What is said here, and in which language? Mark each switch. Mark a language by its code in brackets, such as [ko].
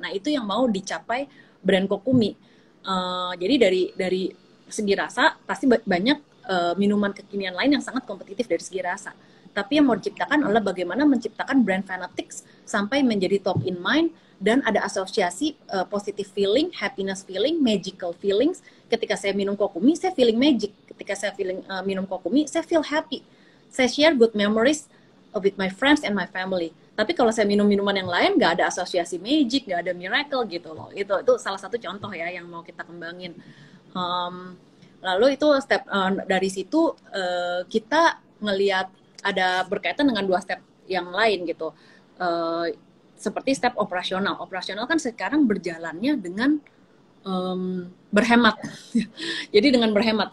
[id] Nah, itu yang mau dicapai brand Kokumi. Jadi dari segi rasa, pasti banyak minuman kekinian lain yang sangat kompetitif dari segi rasa. Tapi yang mau diciptakan adalah bagaimana menciptakan brand fanatics sampai menjadi top in mind dan ada asosiasi positive feeling, happiness feeling, magical feelings. Ketika saya minum Kokumi, saya feeling magic. Ketika saya feeling minum Kokumi, saya feel happy. [en] Saya share good memories with my friends and my family. [id] Tapi kalau saya minum minuman yang lain, nggak ada asosiasi magic, nggak ada miracle gitu loh. Itu salah satu contoh ya yang mau kita kembangin. Lalu itu step dari situ kita ngelihat ada berkaitan dengan dua step yang lain gitu. Seperti step operasional. Operasional kan sekarang berjalannya dengan berhemat. Jadi dengan berhemat.